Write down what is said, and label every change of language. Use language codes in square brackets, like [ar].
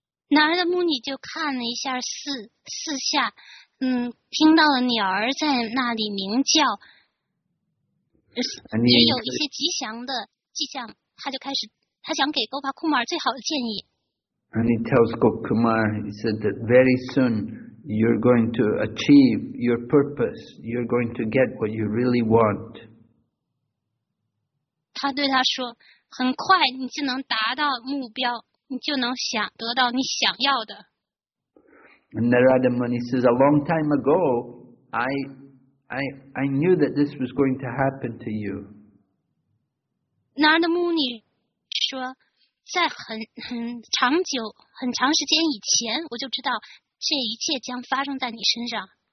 [zh] Narada Muni 就看了一下四下，听到了鸟儿在那里鸣叫，也有一些吉祥的迹象，他想给 Gopa Kumar 最好的建议。 [en] And he tells Gop Kumar, he said that very soon you're going to achieve your purpose, you're going to get what you really want. [zh] 他对他说，很快你就能达到目标。你就能得到你想要的。 [en] And Narada Muni says, a long time ago, I knew that this was going to happen to you. [zh] Narada Muni 说，在很长时间以前，我就知道这一切将发生在你身上。